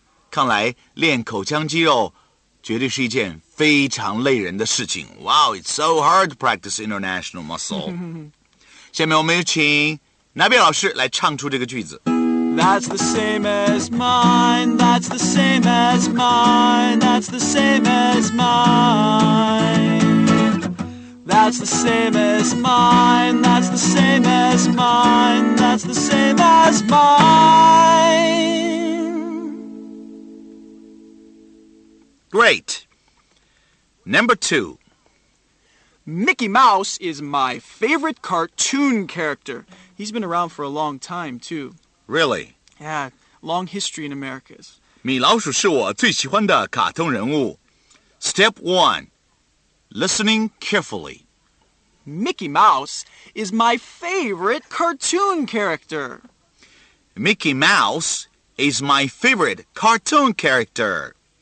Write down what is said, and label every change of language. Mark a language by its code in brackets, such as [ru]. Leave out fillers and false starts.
[zh] 看来练口腔肌肉绝对是一件非常累人的事情。 [en] Wow, it's so hard to practice international muscle. [zh] 下面我们有请纳比尔老师来唱出这个句子。 [en] That's the same as mine, that's the same as mine, that's the same as mine. That's the same as mine, that's the same as mine, that's the same as mine. Great. Number two. Mickey Mouse is my favorite cartoon character. He's been around for a long time, too. Really? Yeah, long history in Americas. [zh] 米老鼠是我最喜欢的卡通人物。 [en] Step one, listening carefully. Mickey Mouse is my favorite cartoon character. Mickey Mouse is my favorite cartoon character.